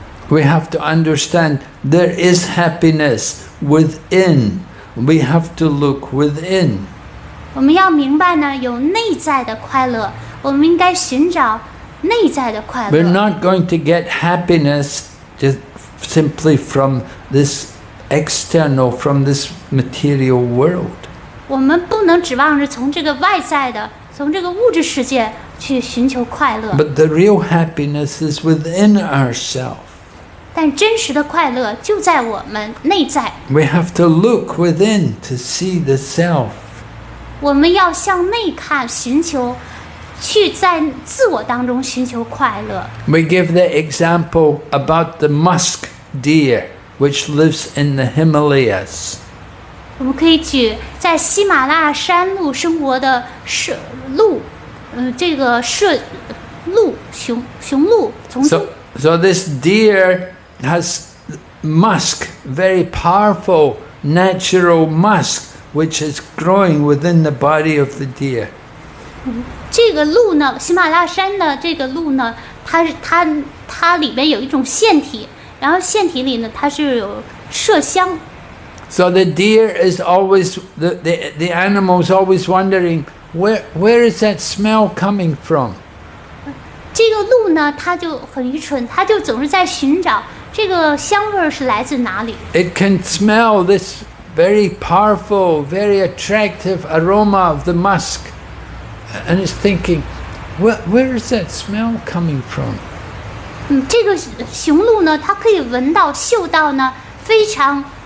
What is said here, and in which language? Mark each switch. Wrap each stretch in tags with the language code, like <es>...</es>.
<en>We have to understand there is happiness within. We have to look within.</en> <zh>我们要明白呢，有内在的快乐。</zh> <en>We're not going to get happiness just simply from this external, from this material world.</en> <zh>我们不能指望着从这个外在的，从这个物质世界去寻求快乐。</zh> <en>But the real happiness is within ourselves.</en> <zh>但真实的快乐就在我们内在。</zh> <en>We have to look within to see the self.</en> <zh>我们要向内看，寻求。</zh> <en>We give the example about the musk deer, which lives in the Himalayas.</en> <zh>我们可以举在喜马拉雅山路生活的鹿，这个鹿熊鹿从中。</zh> <en>So So this deer has musk, very powerful natural musk, which is growing within the body of the deer.</en> <zh>这个鹿呢，喜马拉雅山的这个鹿呢，它里边有一种腺体，然后腺体里呢，它是有麝香。</zh> <en>So the deer is always the animal is always wondering where is that smell coming from?</en> <zh>这个鹿呢，它就很愚蠢，它就总是在寻找这个香味是来自哪里。</zh> <en>It can smell this very powerful, very attractive aroma of the musk, and it's thinking, where is that smell coming from?</en> <zh>这个雄鹿呢，它可以闻到、嗅到呢，非常。</zh>